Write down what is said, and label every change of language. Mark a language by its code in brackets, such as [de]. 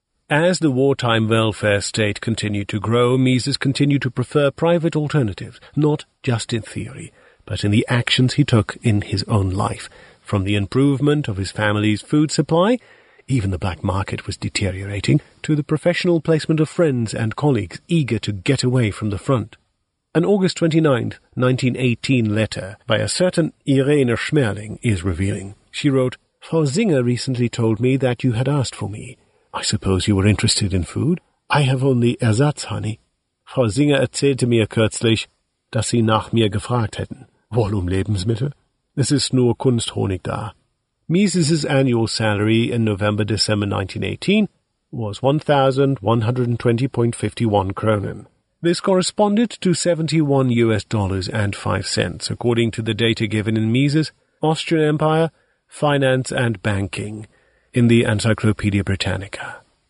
[en] As the wartime welfare state continued to grow, Mises continued to prefer private alternatives, not just in theory, but in the actions he took in his own life, from the improvement of his family's food supply, even the black market was deteriorating, to the professional placement of friends and colleagues eager to get away from the front. An August 29, 1918 letter by a certain Irene Schmerling is revealing. She wrote, "Frau Singer recently told me that you had asked for me. I suppose you were interested in food? I have only Ersatzhoney. [de] Frau Singer erzählte mir kürzlich, dass sie nach mir gefragt hätten. Warum Lebensmittel? Es ist nur Kunsthonig da." [en] Mises' annual salary in November-December 1918 was 1,120.51 kronen. This corresponded to $71.05, according to the data given in Mises' Austrian Empire, Finance and Banking, in the Encyclopaedia Britannica.